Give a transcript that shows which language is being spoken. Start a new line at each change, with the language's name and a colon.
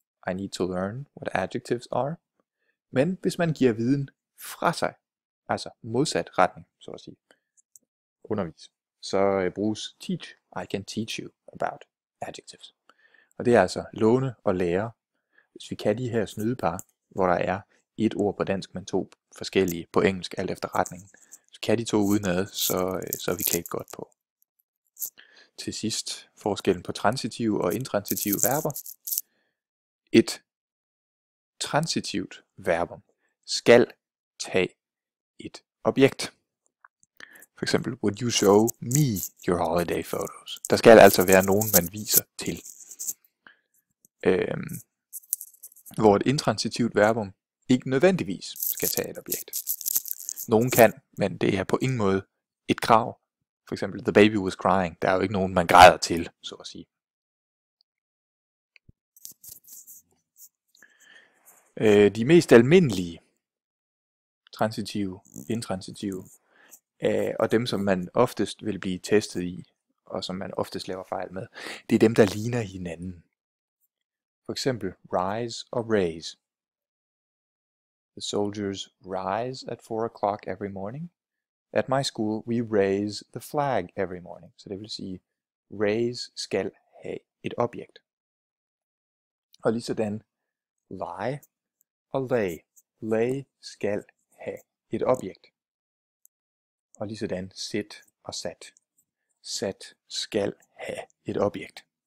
English: I need to learn what adjectives are.
Danish: Men hvis man giver viden fra sig, altså modsat retning, så at sige, undervis, så bruges teach.
English: I can teach you about adjectives.
Danish: Og det er altså låne og lære. Hvis vi kan de her snydepar, hvor der er et ord på dansk, men to forskellige på engelsk, alt efter retningen, så kan de to udenad, så er vi klædt godt på. Til sidst, forskellen på transitive og intransitive verber. Et transitivt verbum skal tage et objekt. For eksempel,
English: would you show me your holiday photos?
Danish: Der skal altså være nogen, man viser til. hvor et intransitivt verbum ikke nødvendigvis skal tage et objekt. Nogen kan, men det er på ingen måde et krav. For eksempel,
English: the baby was crying.
Danish: Der er jo ikke nogen, man græder til, så at sige. De mest almindelige transitive, intransitive, og dem, som man oftest vil blive testet i, og som man oftest laver fejl med, det er dem, der ligner hinanden. For eksempel, rise og raise.
English: The soldiers rise at 4 o'clock every morning. At my school, we raise the flag every morning.
Danish: Så det vil sige, raise skal have et objekt. Og lige sådan, lie og lay. Lay skal have et objekt. Og lige sådan, sit og sat. Sat skal have et objekt.